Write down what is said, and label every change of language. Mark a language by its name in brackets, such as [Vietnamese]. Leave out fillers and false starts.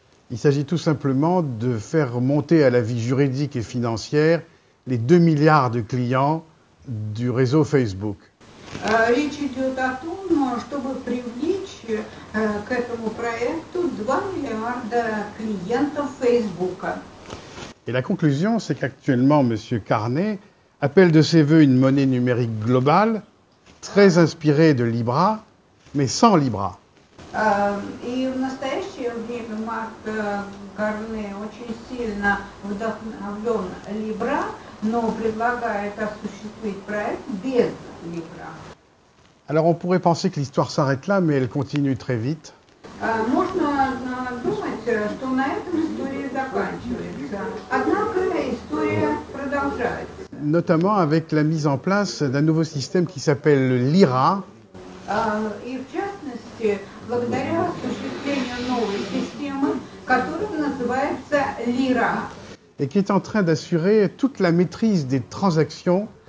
[French] Il s'agit tout simplement de faire monter à la vie juridique et financière les 2 milliards de clients du réseau Facebook. [Russian] Речь идет о том, чтобы привлечь к этому проекту 2 миллиарда клиентов Facebook. [French] Et la conclusion, c'est qu'actuellement, M. Carné appelle de ses voeux une monnaie numérique globale, très inspirée de Libra, mais sans Libra. Et [Russian] в настоящее время Марк Карне очень сильно вдохновлен Libra, но предлагает осуществить проект без Libra. [French] Alors on pourrait penser que l'histoire s'arrête là, mais elle continue très vite. [Russian] Можно думать, что на этом история заканчивается. Однако история продолжается. [French] Notamment avec la mise en place d'un nouveau système qui s'appelle Lyra. [Russian] И в частности, благодаря осуществлению новой системы, которая называется Lyra. [French] Et qui est en train d'assurer toute la maîtrise des transactions.